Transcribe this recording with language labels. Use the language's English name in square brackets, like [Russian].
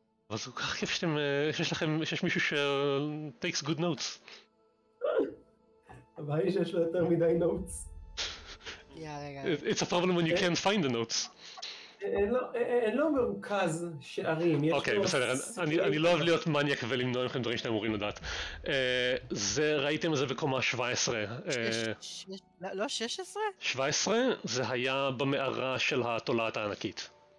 [Hebrew] אבל זה כל כך כיף שיש מישהו ש- [English] takes good notes. [Hebrew] הבעיה היא שיש לו יותר מדי notes. [English] It's a problem when you can't find the notes. [Hebrew] אין לו מרוכז שערים. אוקיי, בסדר, אני לא אוהב להיות מניאק ולמנוע לכם דברים שאתם אמורים לדעת. זה, ראיתם את זה בקומה 17. לא 16? 17, זה היה במערה של התולעת הענקית.